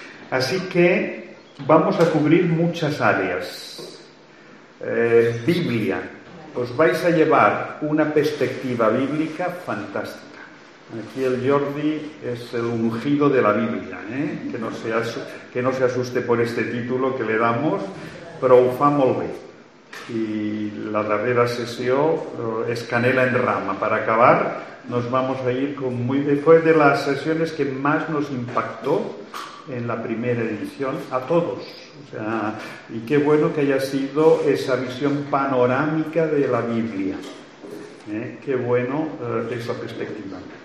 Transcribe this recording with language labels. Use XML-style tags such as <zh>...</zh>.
<es>Así que vamos a cubrir muchas áreas. Biblia. Os vais a llevar una perspectiva bíblica fantástica. Aquí el Jordi es el ungido de la Biblia, que no se asuste por este título que le damos,</es> <ca>però ho fa molt bé. I la darrera sessió és</ca> <es>canela en rama.</es> <ca>Per acabar,</ca> <es>nos vamos a ir con muy después de las sesiones que más nos impactó en la primera edición, a todos. O sea, y qué bueno que haya sido esa visión panorámica de la Biblia. Qué bueno esa perspectiva.</es>